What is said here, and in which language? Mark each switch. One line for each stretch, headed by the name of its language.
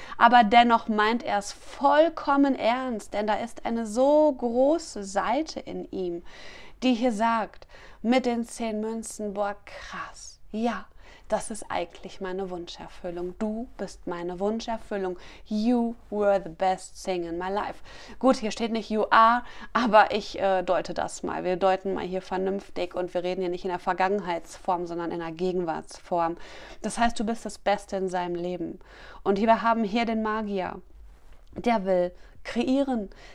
German: Aber dennoch meint er es vollkommen ernst, denn da ist eine so große Seite in ihm, die hier sagt, mit den 10 Münzen, boah, krass, ja, das ist eigentlich meine Wunscherfüllung. Du bist meine Wunscherfüllung.
English: You were the best thing in my life.
German: Gut, hier steht nicht
English: you are,
German: aber ich deute das mal. Wir deuten mal hier vernünftig und wir reden hier nicht in der Vergangenheitsform, sondern in der Gegenwartsform. Das heißt, du bist das Beste in seinem Leben. Und wir haben hier den Magier. Der will kreieren.